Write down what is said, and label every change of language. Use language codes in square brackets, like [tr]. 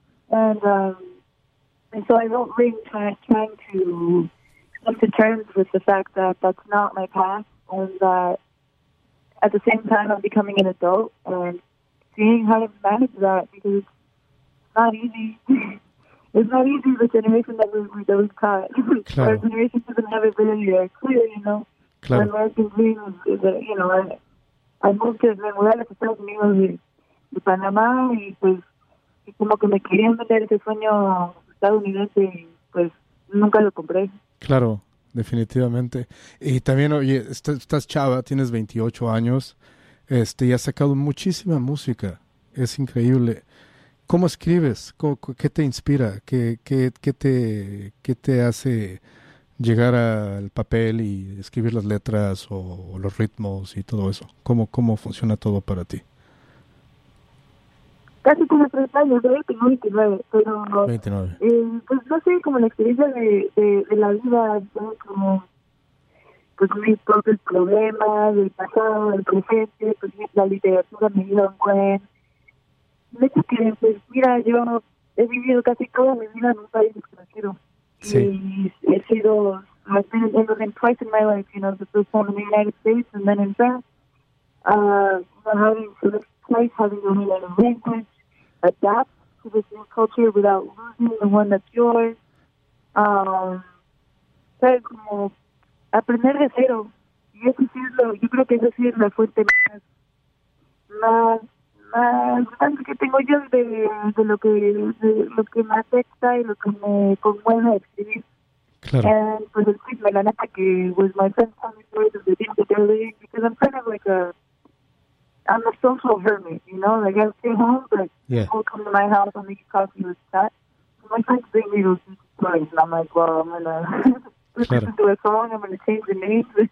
[en] And so I wrote Ring trying to come to terms with the fact that that's not my path, and that at the same time I'm becoming an adult and seeing how to manage that, because it's not easy. the generation that we've caught. [es] Claro. [en] Our generation doesn't have it really clear, you know. [es] Claro. [en] The American dream is that, you know, I moved to Venezuela to South America. [es] De Panamá, y pues, y como que me querían vender ese sueño estadounidense, y pues nunca lo compré. Claro, definitivamente. Y también, oye, estás chava, tienes 28 años, y has sacado muchísima música, es increíble. ¿Cómo escribes? ¿Qué te inspira? ¿Qué te hace, llegar al papel y escribir las letras o los ritmos y todo eso? ¿Cómo funciona todo para ti? Casi tiene 3 años, de 29, pero 29. Pues no sé, como la experiencia de la vida, ¿no? Como pues mis propios problemas del pasado, del presente, pues la literatura me dio un buen. De hecho, que pues mira, yo he vivido casi toda mi vida en un país extranjero. Sí. Y he sido, [en] I've been living twice in my life, you know, the first time in the United States and then in France. Having to learn a language, adapt to this new culture without losing the one that's yours. [es] ¿Sabes? Como aprender de cero. Y eso sí es lo, yo creo que eso sí es la fuente más grande que tengo yo de lo que me afecta y lo que me conmueve a escribir. Claro. [en] And [es] pues el quiz, la nata que [en] was my friend telling me stories of the things that they're doing, because I'm kind of like a, I'm a social hermit, you know, like I stay home, but yeah, people come to my house, I'll make coffee with that. So my friends bring me those stories, and I'm like, well, I'm going to listen to a song, I'm going to change the name.